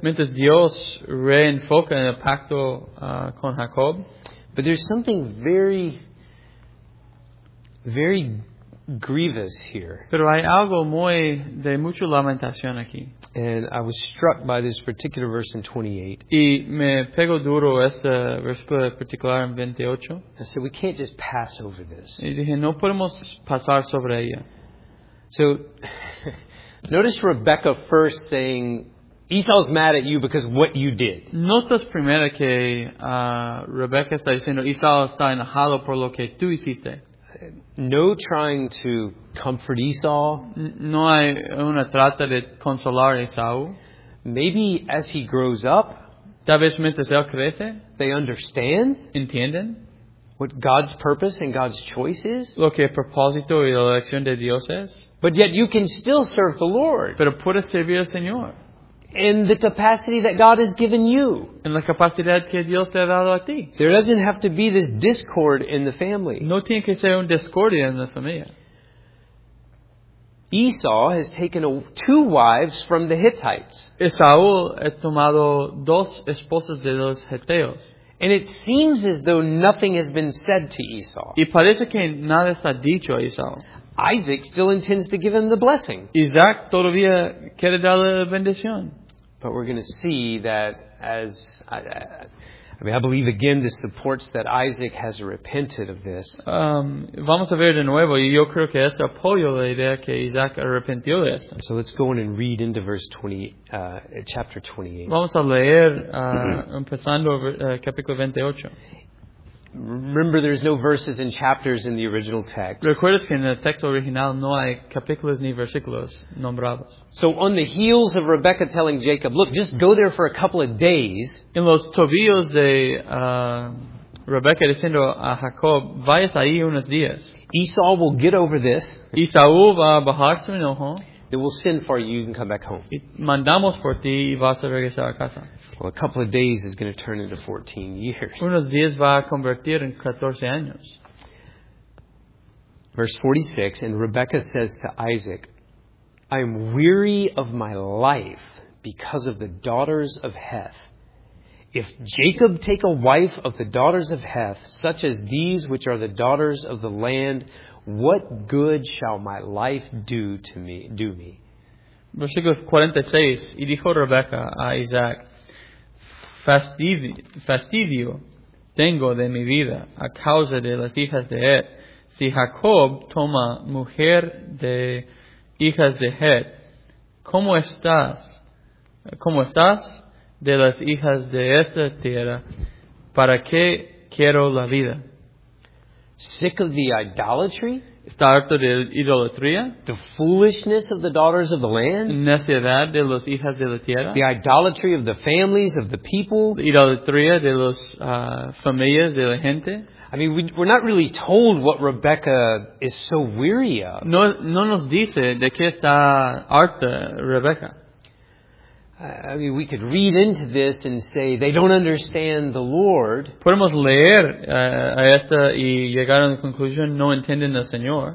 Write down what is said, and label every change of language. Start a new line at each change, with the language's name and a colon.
Spanish: Mientras Dios reenfoca en el pacto con Jacob.
English: But there's something very, very grievous here.
Spanish: Pero hay algo muy de mucha lamentación aquí.
English: And I was struck by this particular verse in 28.
Spanish: Y me pego duro este versículo particular en 28.
English: I said, we can't just pass over this.
Spanish: Y dije, no podemos pasar sobre ella.
English: So, notice Rebecca first saying, Esau's mad at you because what you did.
Spanish: Notas primero que Rebecca está diciendo, Esau está enojado por lo que tú hiciste.
English: No trying to comfort Esau.
Spanish: No hay una trata de consolar a Esau.
English: Maybe as he grows up,
Spanish: tal vez mientras él crece,
English: they understand,
Spanish: entienden,
English: what God's purpose and God's choice is.
Spanish: Lo que el propósito y la elección de Dios es.
English: But yet you can still serve the Lord.
Spanish: Pero puedes servir al Señor.
English: In the capacity that God has given you.
Spanish: En la capacidad que Dios te ha dado a ti.
English: There doesn't have to be this discord in the family.
Spanish: No tiene que ser un discordia en la familia.
English: Esau has taken two wives from the Hittites.
Spanish: Esau ha tomado dos esposas de los Heteos.
English: And it seems as though nothing has been said to Esau.
Spanish: Y parece que nada está dicho a Esau.
English: Isaac still intends to give him the blessing.
Spanish: Isaac todavía quiere darle la bendición.
English: But we're going to see that as I believe again this supports that Isaac has repented of this.
Spanish: Vamos a ver de nuevo. Yo creo que esto apoya la idea que Isaac arrepintió de esto.
English: So let's go in and read into chapter 28.
Spanish: Vamos a leer empezando capítulo 28.
English: Remember, there's no verses and chapters in the original text.
Spanish: Recuerda que en el texto original no hay capítulos ni versículos nombrados.
English: So on the heels of Rebecca telling Jacob, look, just go there for a couple of days.
Spanish: En los tobillos de Rebecca diciendo a Jacob, vayas ahí unos días.
English: Esau will get over this.
Spanish: Esau va a bajar su enojo.
English: They will send for you, you can come back home.
Spanish: Y mandamos por ti y vas a regresar a casa.
English: Well, a couple of days is going to turn into 14 years.
Spanish: Unos días va a convertir en 14 años.
English: Verse 46, and Rebecca says to Isaac, I am weary of my life because of the daughters of Heth. If Jacob take a wife of the daughters of Heth, such as these which are the daughters of the land, what good shall my life do me?
Spanish: Versículo 46, y dijo Rebecca a Isaac, Fastidio tengo de mi vida a causa de las hijas de Het. Si Jacob toma mujer de hijas de Het, ¿cómo estás de las hijas de esta tierra? ¿Para qué quiero la vida?
English: sick of the idolatry,
Spanish: está harto de idolatría,
English: the foolishness of the daughters of the land,
Spanish: necedad de los hijas de la tierra,
English: the idolatry of the families of the people,
Spanish: la idolatría de los familias de la gente.
English: I mean, we're not really told what Rebecca is so weary of.
Spanish: No, no nos dice de qué está harta Rebecca.
English: I mean, we could read into this and say they don't understand the Lord.
Spanish: Podemos leer a esta y llegar a la conclusión, no entienden al Señor.